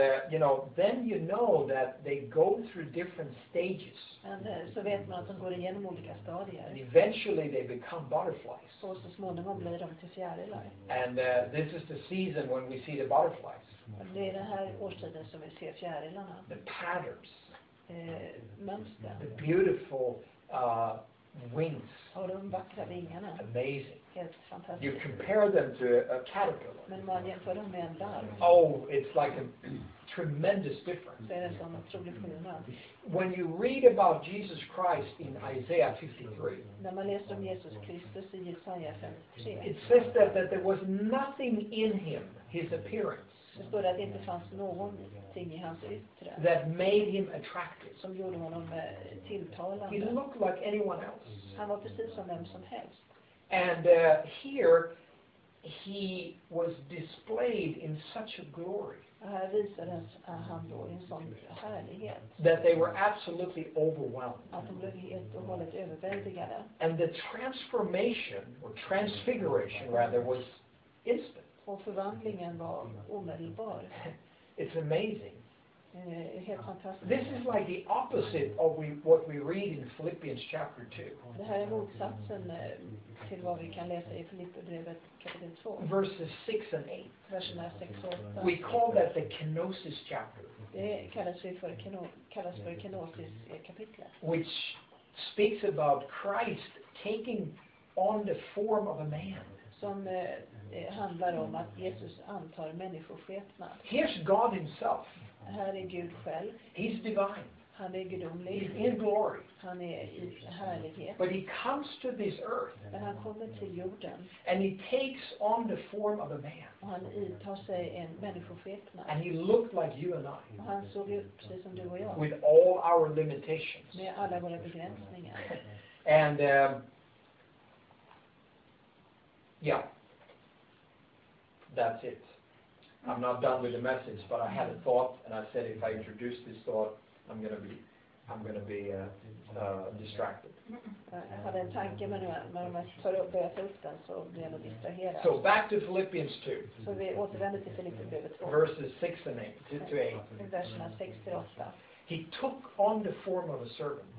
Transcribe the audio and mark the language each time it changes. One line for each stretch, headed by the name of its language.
English: You know, then you know that they go through different stages.
Swedish: Så vet man att de går igenom olika stadier.
English: And eventually they become butterflies.
Swedish: Och så småningom blir de till fjärilar.
English: And this is the season when we see the butterflies.
Swedish: Det är den här årstiden som vi ser fjärilarna.
English: The patterns.
Swedish: Mönster.
English: The beautiful wings.
Swedish: Och de vackra vingarna.
English: Amazing.
Swedish: Helt fantastiskt.
English: You compare them to a caterpillar.
Swedish: Men man jämför dem med en larv.
English: Oh, it's like a tremendous difference.
Swedish: Det är en sån otrolig skillnad.
English: When you read about Jesus Christ in Isaiah 53.
Swedish: När man läser om Jesus Kristus i Jesaja 53.
English: It says that there was nothing in him, his appearance.
Swedish: Det står att det inte fanns någonting i hans yttre.
English: That made him attractive.
Swedish: Som gjorde honom tilltalande.
English: He looked like anyone else.
Swedish: Han var precis som vem som helst.
English: And here he was displayed in such a glory.
Swedish: Här visade han då en sån härlighet.
English: That they were absolutely overwhelmed.
Swedish: Att de blev helt och hållet överväldigade.
English: And the transformation or transfiguration rather was instant.
Swedish: Och förvandlingen var omedelbar.
English: It's amazing.
Swedish: Helt fantastiskt.
English: This is like the opposite of what we read in Philippians chapter 2.
Swedish: Det här är motsatsen till vad vi kan läsa i Filipperbrevet kapitel 2.
English: Verses 6 and 8.
Swedish: Verserna 6 och 8.
English: We call that the kenosis chapter.
Swedish: Det kallas för kenosis kapitlet.
English: Which speaks about Christ taking on the form of a man.
Swedish: Som handlar om att Jesus antar människoskepnad.
English: Here's God himself.
Swedish: Här är Gud själv.
English: He's divine.
Swedish: Han är gudomlig.
English: He's in glory.
Swedish: Han är i härlighet.
English: But he comes to this earth.
Swedish: Men han kommer till jorden.
English: And he takes on the form of a man.
Swedish: Och han tar sig en människoskepnad.
English: And he looked like you and I.
Swedish: Och han såg ut precis som du och jag.
English: With all our limitations.
Swedish: Med alla våra begränsningar.
English: And yeah. That's it. I'm not done with the message, but I had a thought, and I said if I introduce this thought, I'm gonna be distracted.
Swedish: Jag hade en tanke, men när man börjar ta upp den så blir jag distraherad.
English: So back to Philippians 2.
Swedish: Så vi återvänder till Filipperbrevet 2.
English: Verses 6 and 8. 2 to 8.
Swedish: Verserna 6 till 8.
English: He took on the form of a servant.